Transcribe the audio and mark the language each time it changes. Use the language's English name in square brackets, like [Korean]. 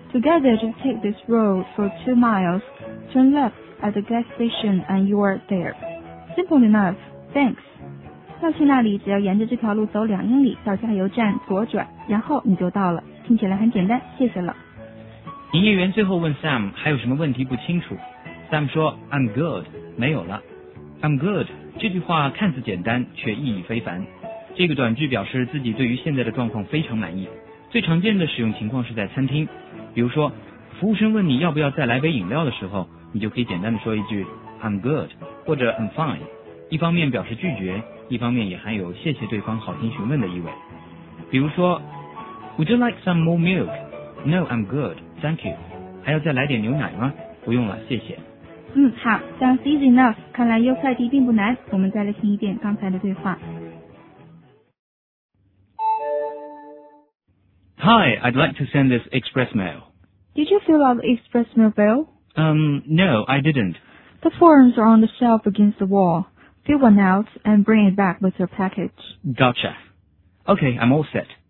[English] Together just take this road for 2 miles, turn left at the gas station and you are there. Simple enough, thanks. [Chinese] 要去那里只要沿着这条路走2英里到加油站左转，然后你就到了，听起来很简单，谢谢了。营业员最后问 Sam 还有什么问题不清楚，Sam 说 [English] I'm good， [Chinese] 没有了。 [English] I'm good [Chinese] 这句话看似简单却意义非凡，这个短句表示自己对于现在的状况非常满意。最常见的使用情况是在餐厅，比如说服务生问你要不要再来杯饮料的时候，你就可以简单的说一句 [English] I'm good [Chinese] 或者 [English] I'm fine， [Chinese] 一方面表示拒绝，一方面也含有谢谢对方好心询问的意味。比如说 [English] Would you like some more milk? No, I'm good, thank you。 [Chinese] 还要再来点牛奶吗？不用了，谢谢。嗯，好， [English] sounds easy enough， [Chinese] 看来邮快递并不难。我们再来听一遍刚才的对话。 [English] Hi, I'd like to send this express mail. Did you fill out the express mail bill? No, I didn't. The forms are on the shelf against the wall. Fill one out and bring it back with your package. Gotcha. Okay, I'm all set.